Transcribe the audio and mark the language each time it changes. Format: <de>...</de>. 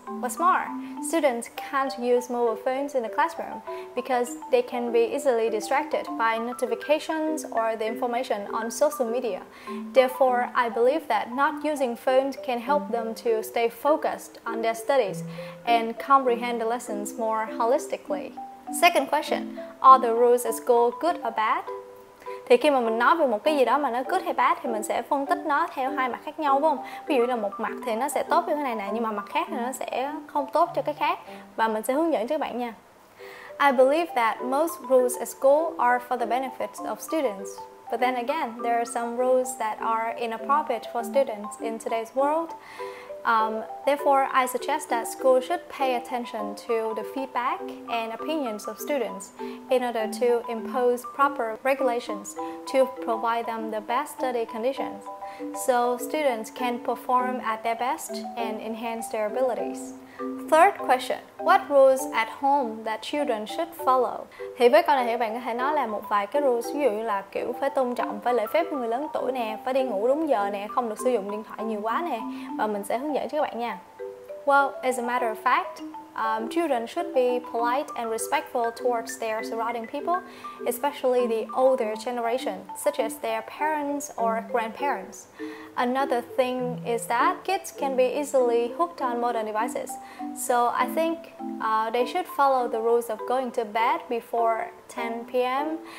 <en>What's more, students can't use mobile phones in the classroom because they can be easily distracted by notifications or the information on social media. Therefore, I believe that not using phones can help them to stay focused on their studies and comprehend the lessons more holistically. Second question, are the rules at school good or bad?</en> <vi>Thì khi mà mình nói về một cái gì đó mà nó good hay bad thì mình sẽ phân tích nó theo hai mặt khác nhau, đúng không? Ví dụ là một mặt thì nó sẽ tốt cho cái này nè, nhưng mà mặt khác thì nó sẽ không tốt cho cái khác. Và mình sẽ hướng dẫn cho các bạn nha.</vi> <en>I believe that most rules at school are for the benefits of students. But then again, there are some rules that are inappropriate for students in today's world. Therefore, I suggest that schools should pay attention to the feedback and opinions of students in order to impose proper regulations to provide them the best study conditions so students can perform at their best and enhance their abilities. Third question, what rules at home that children should follow?</en> <vi>Thì với câu này thì bạn có thể nói là một vài cái rules, ví dụ như là kiểu phải tôn trọng, phải lễ phép với người lớn tuổi nè, phải đi ngủ đúng giờ nè, không được sử dụng điện thoại nhiều quá nè. Và mình sẽ hướng dẫn cho các bạn nha.</vi> <en>Well, as a matter of fact, children should be polite and respectful towards their surrounding people, especially the older generation, such as their parents or grandparents. Another thing is that kids can be easily hooked on modern devices, so I think they should follow the rules of going to bed before 10 p.m.</en>